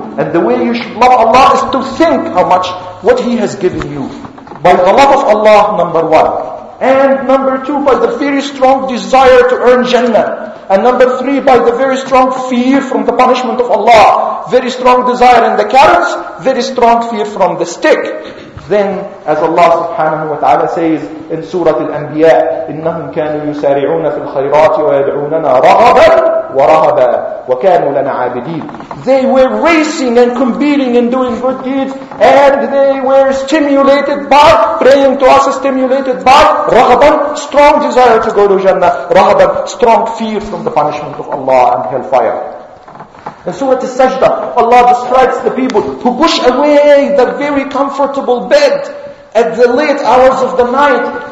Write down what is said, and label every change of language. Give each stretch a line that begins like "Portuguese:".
English: And the way you should love Allah is to think how much what He has given you. By the love of Allah, number one. And number two, by the very strong desire to earn Jannah. And number three, by the very strong fear from the punishment of Allah. Very strong desire in the carrots, very strong fear from the stick. Then, as Allah subhanahu wa ta'ala says in Surah Al-Anbiya,
Arabic: إِنَّهُمْ كَانُوا يُسَارِعُونَ فِي الْخَيْرَاتِ وَيَدْعُونَنَا رَغَبًا وَرَهَبًا وَكَانُوا لَنَا عَابِدِينَ.
English: They were racing and competing and doing good deeds, and they were stimulated by, praying to us, stimulated by رَغَبًا, strong desire to go to Jannah, رَغَبًا, strong fear from the punishment of Allah and hellfire. In Surah Al-Sajdah, Allah describes the people who push away the very comfortable bed at the late hours of the night.